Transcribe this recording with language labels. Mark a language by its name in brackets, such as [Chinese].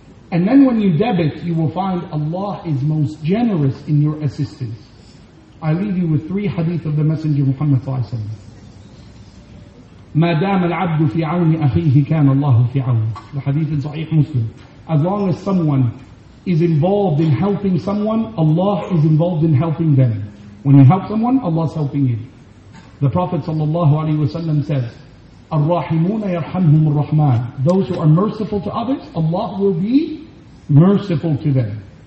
[English] And then when you debit, you will find Allah is most generous in your assistance. I leave you with three hadith of the Messenger Muhammad sallallahu alaihi wasallam. [Arabic] ما دام العبد في عون أخيه كان الله في عون. [English] The hadith in Sahih Muslim. As long as someone is involved in helping someone, Allah is involved in helping them. When you help someone, Allah is helping you. The Prophet sallallahu alaihi wasallam says, [Arabic] الرحمون يرحمهم الرحمن. [English] Those who are merciful to others, Allah will be merciful to them.